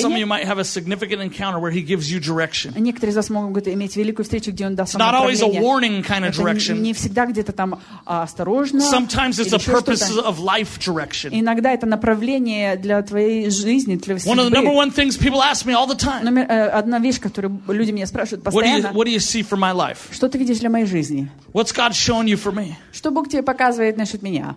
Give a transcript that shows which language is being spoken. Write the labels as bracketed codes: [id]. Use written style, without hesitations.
[en] Or some of you might have a significant encounter where he gives you direction. [ru] Некоторые из вас могут иметь великую встречу, где он даст вам направление. [en] Not always a warning kind of direction. [ru] Не всегда где-то там осторожно. [en] Sometimes it's a purpose of life direction. [ru] Иногда это направление для твоей жизни, для всей. [en] One of the number one things people ask me all the time. [ru] Одна вещь, которую люди меня спрашивают постоянно. [en] What do you see for my life? [ru] Что ты видишь для моей жизни? [en] What's God showing you for me? [ru] Что Бог тебе показывает насчет меня?